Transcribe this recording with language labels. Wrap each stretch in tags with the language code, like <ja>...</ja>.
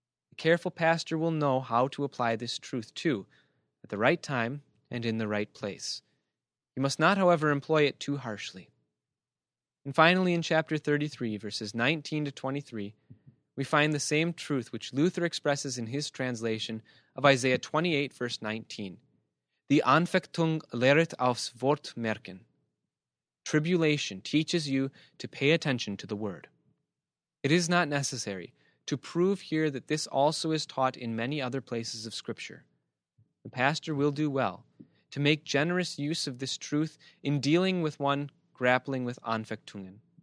<en>The careful pastor will know how to apply this truth too, at the right time and in the right place. He must not, however, employ it too harshly. And finally, in chapter 33, verses 19 to 23, we find the same truth which Luther expresses in his translation of Isaiah 28, verse 19.</en> <de>Die Anfechtung lehrt aufs Wort merken.</de> <en>Tribulation teaches you to pay attention to the word. It is not necessary to prove here that this also is taught in many other places of Scripture. The pastor will do well to make generous use of this truth in dealing with one grappling with Anfechtungen.</en>